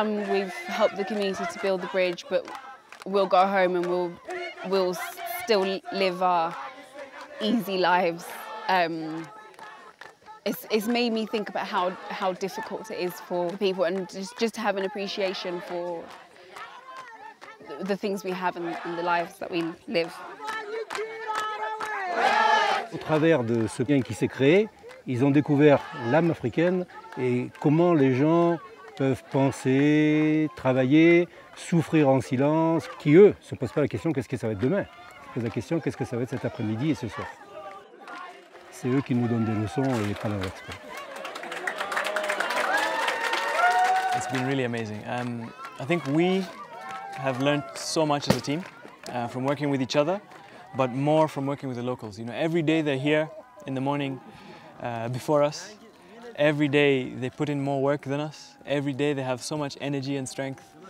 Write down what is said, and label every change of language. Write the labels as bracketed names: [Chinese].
[English] We've helped the community to build the bridge, but we'll go home and we'll still live our easy lives. It's made me think about how difficult it is for the people, and just to have an appreciation for the things we have and the lives that we live. [French] Au travers de ce lien qui s'est créé, ils ont découvert l'âme africaine et comment les gens peuvent penser, travailler, souffrir en silence, qui eux ne se posent pas la question qu'est-ce que ça va être demain, ils se posent la question qu'est-ce que ça va être cet après-midi et ce soir. C'est eux qui nous donnent des leçons et pas l'inverse. [English] It's been really amazing. I think we have learned so much as a team from working with each other, but more from working with the locals. You know, every day they're here in the morning before us, every day they put in more work than us. Every day they have so much energy and strength.